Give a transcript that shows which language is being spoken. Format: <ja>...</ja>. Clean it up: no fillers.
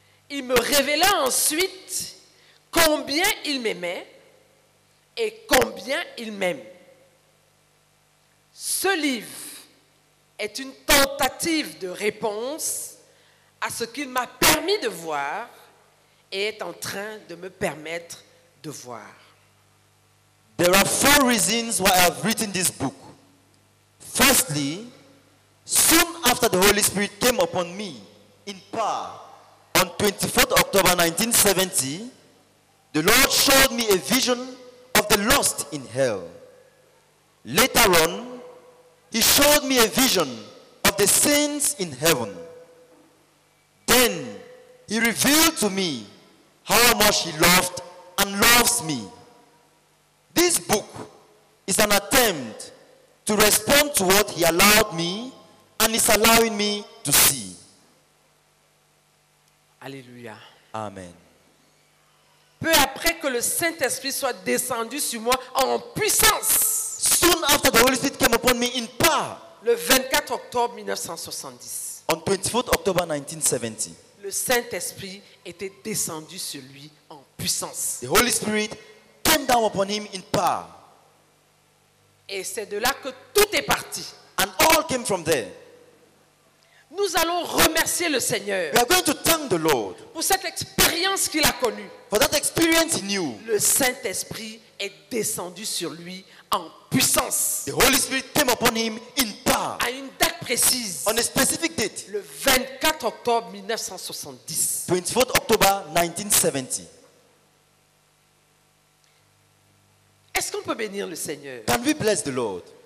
<fr>Il me révéla ensuite combien il m'aimait et combien il m'aime. Ce livre est une tentative de réponse à ce qu'il m'a permis de voir et est en train de me permettre de voir.</fr> <en>There are 4 reasons why I have written this book. Firstly, soon after the Holy Spirit came upon me in power on 24th October 1970, the Lord showed me a vision of the lost in hell. Later on, he showed me a vision of the saints in heaven. Then, he revealed to me how much he loved and loves me. This book is an attempt to respond to what he allowed me and is allowing me to see. Alléluia. Amen.</en> <fr>Peu après que le Saint-Esprit soit descendu sur moi en puissance.</fr> <en>Soon after the Holy Spirit came upon me in power.</en> <fr>Le 24 octobre 1970.</fr> <en>On 24 October 1970,</en> <fr>le Saint-Esprit était descendu sur lui en puissance.</fr> <en>The Holy Spirit came down upon him in power.</en> <fr>Et c'est de là que tout est parti.</fr> <en>And all came from there.</en> <fr>Nous allons remercier le Seigneur.</fr> <en>We are going to thank the Lord.</en> <fr>Pour cette expérience qu'il a connue.</fr> <en>For that experience he knew.</en> <fr>Le Saint-Esprit est descendu sur lui en puissance.</fr> <en>The Holy Spirit came upon him in power.</en> <fr>À une date précise.</fr> <en>On a specific date.</en> <fr>Le 24 octobre 1970.</fr> <en>24 October 1970.</en> <fr>Est-ce qu'on peut bénir le Seigneur?</fr> <en>Can we bless the Lord?</en>